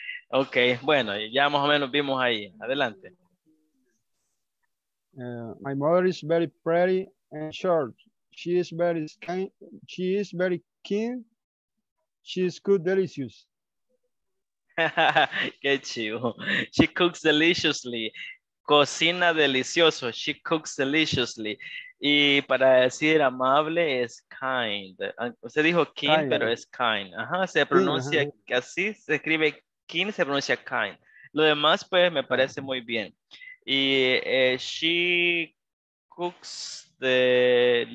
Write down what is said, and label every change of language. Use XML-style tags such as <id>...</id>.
<es>Okay. Bueno, ya más o menos vimos ahí. Adelante.</es> <en>My mother is very pretty and short. She is very kind. She is very keen. She is good, delicious.</en> <es>Qué chivo.</es> <en>She cooks deliciously.</en> <es>Cocina delicioso.</es> <en>She cooks deliciously.</en> <es>Y para decir amable es kind. Usted dijo kind, pero es kind. Ajá, se pronuncia así, se escribe kind, se pronuncia kind. Lo demás, pues, me parece muy bien.</es> <en>Y she cooks deliciously.</en>